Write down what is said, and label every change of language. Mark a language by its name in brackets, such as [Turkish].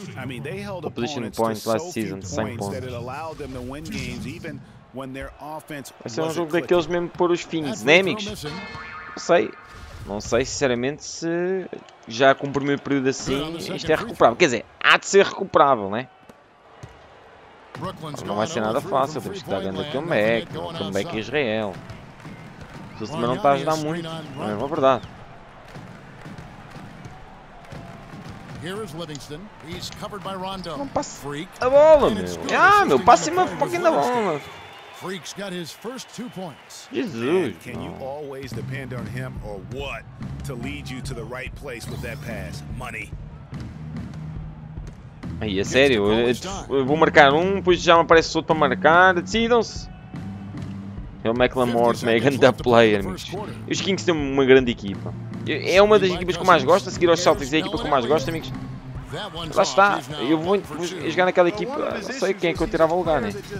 [English] I mean, they held opponents points last season, to so few points that it allowed them to win games even when their offense wasn't clicking. [Portuguese] Vai ser um jogo daqueles mesmo por os fins, né, amigos? Não sei, sinceramente, se já com o primeiro período assim, isto é recuperável. Quer dizer, há de ser recuperável, né? Não vai ser nada fácil, temos que estar dando comeback em Israel. O sistema não está a ajudar muito, não é uma verdade. [English] Here is Livingston. He's covered by Rondo. [Portuguese] Não passa a bola, meu. Ah, meu, passa-me a fucking da bola. [English] Freak's got his first 2 points. Jesus. Man, can you always depend on him or what to lead you to the right place with that pass? Money. [Portuguese] Aí, a sério, eu vou marcar um, depois já me aparece outro para marcar. Decidam-se. É o McLemore, é grande player, amigos. Os Kings têm uma grande equipa. É uma das equipas que eu mais gosto, a seguir aos Celtics é a equipa que eu mais gosto, amigos. Lá está, eu vou jogar naquela equipa, não sei quem é que eu tirava o lugar, né?